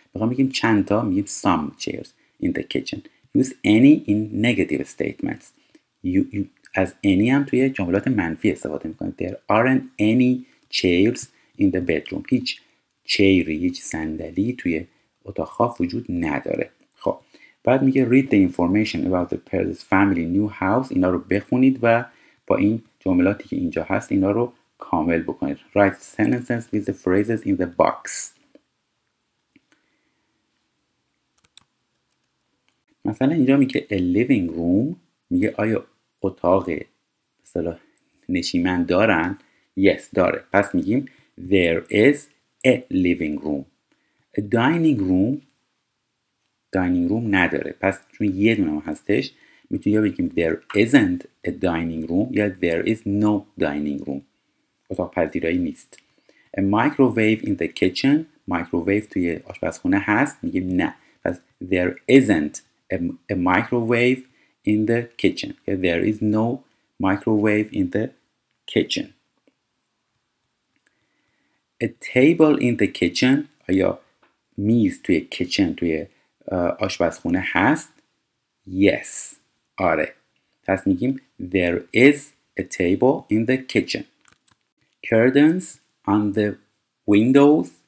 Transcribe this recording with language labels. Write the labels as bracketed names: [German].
[Persian] بخواهم بگیم چند تا میگیم [English] some chairs in the kitchen. Use any in negative statements. [Persian] از any هم توی جملات منفی استفاده میکنیم. [English] There aren't any chairs in the bedroom. [Persian] هیچ چیری، هیچ صندلی توی اتاق خواب وجود نداره. خب بعد میگه [English] read the information about the Perez family new house. [Persian] اینا رو بخونید و با این جملاتی که اینجا هست اینا رو کامل بکنید. [English] Write sentences with the phrases in the box. [Persian] مثلا اینجا میگه [English] a living room. [Persian] میگه آیا اتاق مثلا نشیمن دارن؟ Yes داره. پس میگیم [English] there is a living room. A dining room. Dining room نداره. [Persian] پس چون یه دونه هستش میتونی یا بگیم [English] there isn't a dining room یا there is no dining room. [Persian] اتاق پذیرایی نیست. [English] A microwave in the kitchen. [Persian] Microwave توی آشپزخونه هست. میگیم نه. [English] پس there isn't a microwave in the kitchen. Yeah, there is no microwave in the kitchen. A table in the kitchen. [Persian] آیا میز توی کیچن توی آشپزخونه هست؟ Yes. آره. پس میگیم [English] there is a table in the kitchen. Curtains on the windows.